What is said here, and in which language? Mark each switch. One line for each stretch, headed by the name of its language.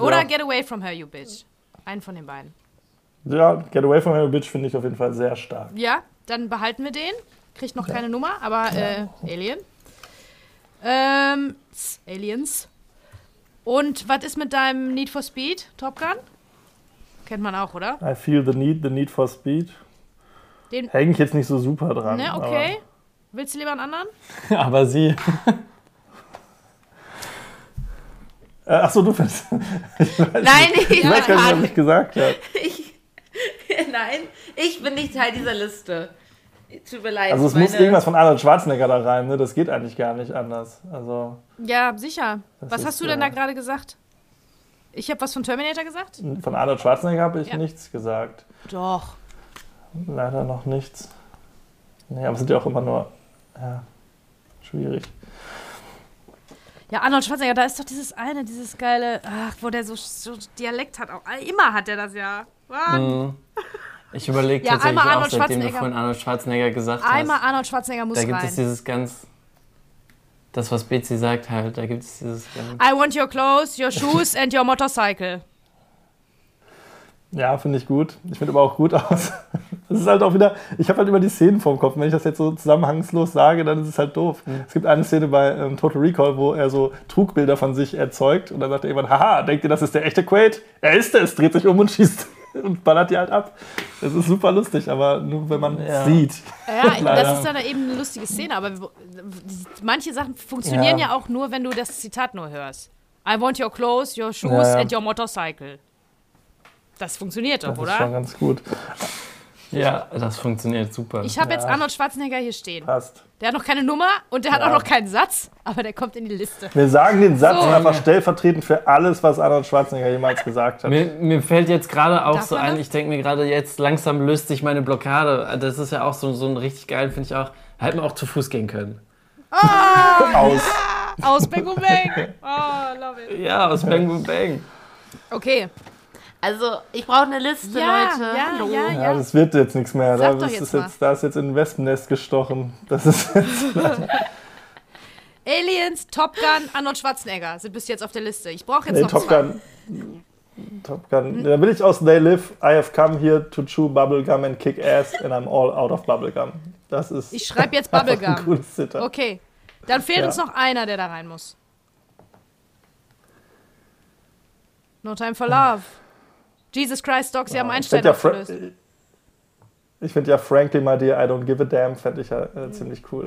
German: Oder
English: Get Away From Her, You Bitch.
German: Einen von den beiden. Ja,
English: Get Away From Her, You Bitch
German: finde ich auf jeden Fall sehr stark. Ja, dann behalten wir den. Kriegt noch keine Nummer, aber Alien. Aliens. Und was ist mit deinem Need for Speed, Top Gun? Kennt man auch, oder?
English: I feel the need for Speed.
German: Den hänge ich jetzt nicht so super dran. Ne, okay. Willst du lieber einen anderen? Aber sie. Achso, du findest. Ich weiß nicht, was ich gesagt habe. Nein, ich bin nicht Teil dieser Liste. Tut mir leid. Also es muss irgendwas von Arnold Schwarzenegger da rein, ne? Das geht eigentlich gar nicht anders. Also, ja, sicher. Was hast du denn da gerade gesagt? Ich habe was von Terminator gesagt? Von Arnold Schwarzenegger habe ich nichts gesagt. Doch. Leider noch nichts. Nee, aber es sind ja auch immer nur, schwierig. Ja, Arnold Schwarzenegger, da ist doch dieses geile, wo der so Dialekt hat. Auch, immer hat er das ja. Ich überlege tatsächlich auch, seitdem du vorhin Arnold Schwarzenegger gesagt hast. Einmal Arnold Schwarzenegger muss rein. Da gibt es dieses ganz, das was Betsy sagt halt, da gibt es dieses ganz.
English: I want your clothes, your shoes and your motorcycle.
German: Ja, finde ich gut. Ich finde aber auch gut aus. Das ist halt auch wieder, ich habe halt immer die Szenen vorm Kopf. Wenn ich das jetzt so zusammenhangslos sage, dann ist es halt doof. Es gibt eine Szene bei Total Recall, wo er so Trugbilder von sich erzeugt und dann sagt er irgendwann, haha, denkt ihr, das ist der echte Quaid? Er ist es, dreht sich um und schießt und ballert die halt ab. Das ist super lustig, aber nur wenn man es sieht. Ja, das ist dann eben eine lustige Szene, aber manche Sachen funktionieren ja auch nur, wenn du das Zitat nur hörst.
English: I want your clothes, your shoes and your motorcycle.
German: Das funktioniert doch, oder? Das ist schon ganz gut. Ja, das funktioniert super. Ich habe jetzt Arnold Schwarzenegger hier stehen. Passt. Der hat noch keine Nummer und der hat auch noch keinen Satz, aber der kommt in die Liste. Wir sagen den Satz einfach stellvertretend für alles, was Arnold Schwarzenegger jemals gesagt hat. Mir fällt jetzt gerade auch so ein, ich denke mir gerade jetzt, langsam löst sich meine Blockade. Das ist ja auch so ein richtig geil, finde ich auch. Hätten wir auch zu Fuß gehen können. Oh, aus. Aus Bang Boom Bang.
English: Oh, love it.
German: Ja, aus Bang Boom Bang. Okay. Also, ich brauche eine Liste, Leute. Ja, das wird jetzt nichts mehr. Da ist jetzt in ein Wespennest gestochen. Das ist Aliens, Top Gun, Arnold Schwarzenegger sind bis jetzt auf der Liste. Ich brauche jetzt noch Top Gun. Top Gun. Dann will ich aus They Live.
English: I have come here to chew bubblegum and kick ass and I'm all out of bubblegum.
German: Das ist. Ich schreibe jetzt bubblegum. Ein cooles Zitat. Okay, dann fehlt uns noch einer, der da rein muss.
English: No time for love.
German: Jesus Christ, Doc, Sie haben Einstein aufgelöst. Ich finde ja
English: Frankly, my dear, I don't give a damn,
German: fände ich ja ziemlich cool.